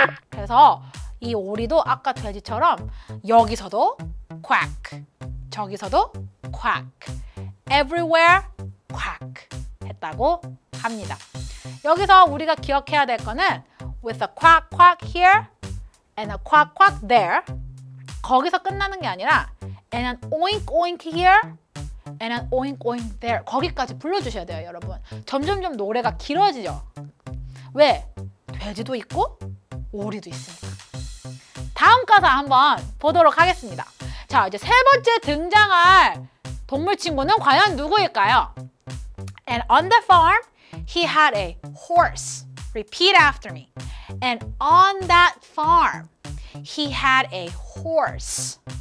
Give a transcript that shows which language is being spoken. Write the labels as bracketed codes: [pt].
[ko] 그래서 이 오리도 아까 돼지처럼 여기서도 콱, 저기서도 콱, everywhere 콱 했다고 합니다. 여기서 우리가 기억해야 될 거는 [en] with a quack quack here and a quack quack there. [ko] 거기서 끝나는 게 아니라 [en] and an oink oink here and an oink oink there. [ko] 거기까지 불러주셔야 돼요, 여러분. 점점점 노래가 길어지죠. 왜? 돼지도 있고 오리도 있으니까. 다음 가사 한번 보도록 하겠습니다. 자, 이제 세 번째 등장할 동물 친구는 과연 누구일까요? [en] And on the farm, he had a horse. Repeat after me. And on that farm, he had a horse.